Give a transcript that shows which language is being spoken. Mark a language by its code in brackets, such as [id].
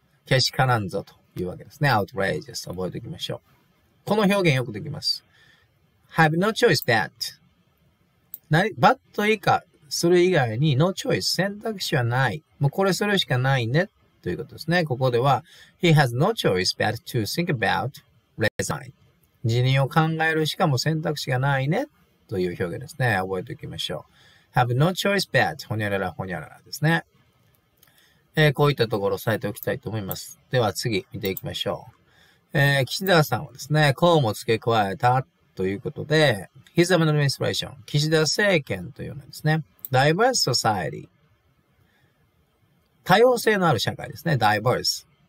[ja] けしからんぞというわけですね。 outrageous 覚えておきましょう。この表現よくできます。 [en] have no choice that. but [ja] 以下、それ以外に [en] no choice [ja] 選択肢はない。もうこれそれしかないねということですね。ここでは [en] he has no choice but to think about resign. [ja] 辞任を考えるしかも選択肢がないねという表現ですね。覚えておきましょう。 [en] have no choice but [ja] ほにゃららほにゃららですね。こういったところを押さえておきたいと思います。では次見ていきましょう。岸田さんはですね、こうも付け加えたということで、 [en] His administration、 [ja] 岸田政権というのですね、 [en] Diverse Society、 [ja] 多様性のある社会ですね、Diverse。